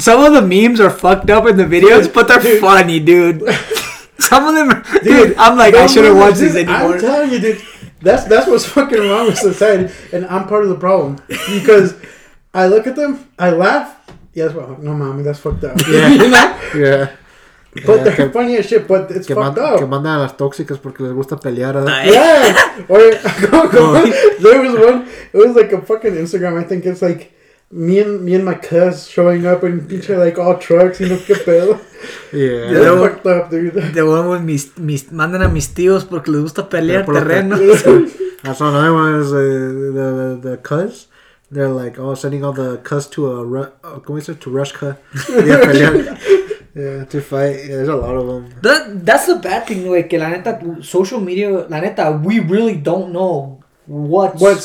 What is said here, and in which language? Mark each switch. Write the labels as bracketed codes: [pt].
[en] Some of the memes are fucked up in the videos, dude, but they're funny, dude. Some of them... Dude, I'm like, I shouldn't watch this anymore. I'm telling you, dude. That's what's fucking wrong with society, and I'm part of the problem, because I look at them, I laugh, yes, well, no, mommy, that's fucked up. Yeah. You know? Yeah. But yeah, they're funny as shit, but it's fucked up. [es] Que mandan a las tóxicas porque les gusta pelear. A... [en] Yeah. Or, there was one, it was like a fucking Instagram, I think it's like, me and my cuz showing up in pinche, like, all trucks, you know, [es] que pedo. [en] Yeah, they're fucked up, dude. The one with [es] mis mandan a mis tíos porque les gusta pelear terreno. [en] I saw another one. Was the cuz. They're like, oh, sending all the cuz to Rushka. Yeah, pelear. Yeah, to fight. Yeah, there's a lot of them. That's the bad thing, like, [es] que la neta, [en] social media, [es] la neta, [en] we really don't know what's